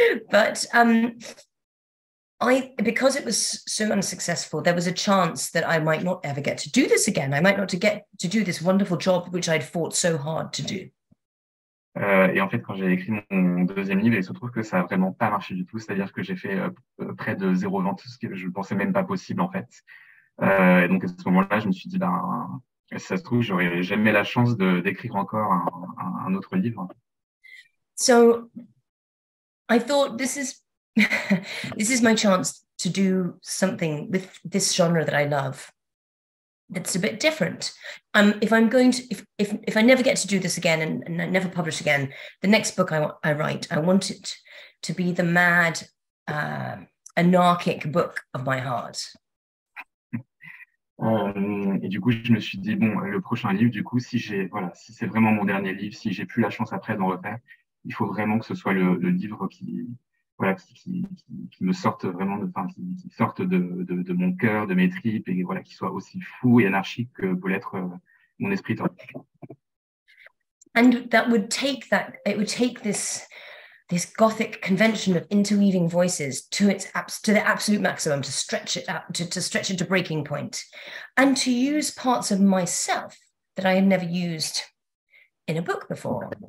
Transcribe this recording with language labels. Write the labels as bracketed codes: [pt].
[en] because it was so unsuccessful, there was a chance that I might not ever get to do this again. I might not get to do this wonderful job which I'd fought so hard to do. [fr] Et en fait, quand j'ai écrit mon deuxième livre, il se trouve que ça n'a vraiment pas marché du tout. C'est-à-dire que j'ai fait près de zéro vente, ce que je ne pensais même pas possible, en fait. Et donc, à ce moment-là, je me suis dit, si ça se trouve, j'aurais jamais la chance d'écrire encore un autre livre. [en] So, I thought this is my chance to do something with this genre that I love. That's a bit different. If I never get to do this again and I never publish again, the next book I write, I want it to be the mad, anarchic book of my heart. [fr] Et du coup, je me suis dit, le prochain livre, du coup, si c'est vraiment mon dernier livre, si j'ai plus la chance après d'en refaire, il faut vraiment que ce soit le livre qui me sorte vraiment qui sorte de mon cœur, de mes tripes, et voilà, qui soit aussi fou et anarchique que peut l'être mon esprit. [en] And that would take this gothic convention of interweaving voices to the absolute maximum, to stretch it out, to stretch it to breaking point, and to use parts of myself that I had never used in a book before.